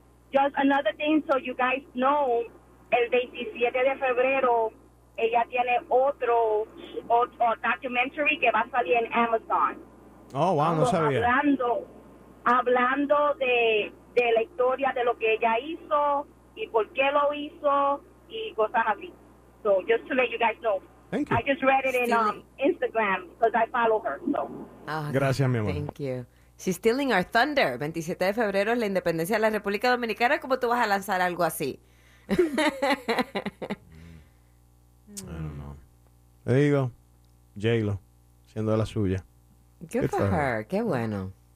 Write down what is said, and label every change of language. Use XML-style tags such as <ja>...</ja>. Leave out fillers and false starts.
<en>Just another thing, so you guys know,</en> <es>el 27 de febrero ella tiene otro documentary que va a salir en Amazon. Oh, wow, no sabía. Hablando de la historia de lo que ella hizo y por qué lo hizo y cosas así.</es> <en>So, just to let you guys know. Thank you. I just read it in Instagram because I follow her. So.</en> <es>Oh, gracias, mi amor.</es> <en>Thank you. She's stealing our thunder.</en> <es>27 de febrero es la independencia de la República Dominicana. ¿Cómo tú vas a lanzar algo así?</es> <en>I don't know.</en> <es>Le digo, J-Lo, siendo la suya.</es> <en>Good for her.</en> <es>Qué bueno.</es>